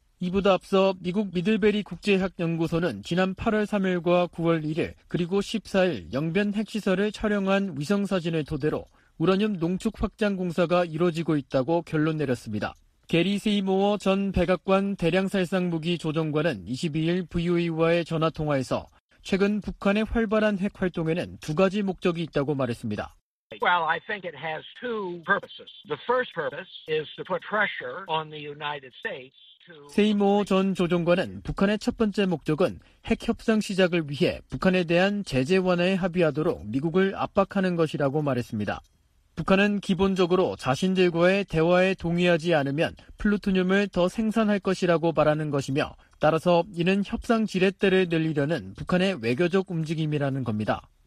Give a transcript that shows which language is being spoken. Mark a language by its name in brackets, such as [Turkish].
[Korean] 이보다 앞서 미국 미들베리 국제학연구소는 지난 8월 3일과 9월 1일 그리고 14일 영변 핵시설을 촬영한 위성사진을 토대로 우라늄 농축 확장 공사가 이뤄지고 있다고 결론 내렸습니다. 게리 세이모어 전 백악관 대량살상무기 조정관은 22일 VOA와의 전화통화에서 최근 북한의 활발한 핵 활동에는 두 가지 목적이 있다고 말했습니다. [English] Well, I think it has two purposes. The first purpose is to put pressure on the United States to [Korean] 세이모 전 조정관은 북한의 첫 번째 목적은 핵 협상 시작을 위해 북한에 대한 제재 완화에 합의하도록 미국을 압박하는 것이라고 말했습니다. 북한은 기본적으로 자신들과의 대화에 동의하지 않으면 플루토늄을 더 생산할 것이라고 말하는 것이며 따라서 이는 협상 지렛대를 늘리려는 북한의 외교적 움직임이라는 겁니다.